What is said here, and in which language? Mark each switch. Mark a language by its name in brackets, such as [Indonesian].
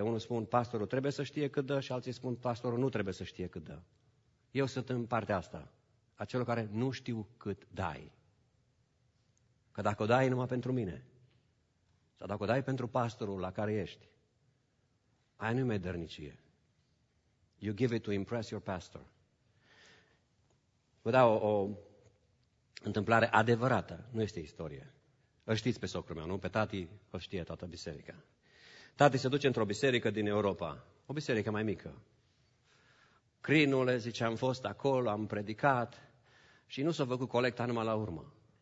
[Romanian] Unul spun, pastorul trebuie să știe cât dă și alții spun, pastorul nu trebuie să știe cât dă. Eu sunt în partea asta, a celor care nu știu cât dai. Că dacă o dai numai pentru mine, sau dacă o dai pentru pastorul la care ești, aia nu-i mai dărnicie. [English] You give it to impress your pastor. [Romanian] Vă dau o întâmplare adevărată, nu este istorie. Îl știți pe socrul meu, nu? Pe tati îl știe toată biserica. Tati se duce într-o biserică din Europa, o biserică mai mică. Crinule, zice, am fost acolo, am predicat și nu s-a făcut colecta numai la urmă.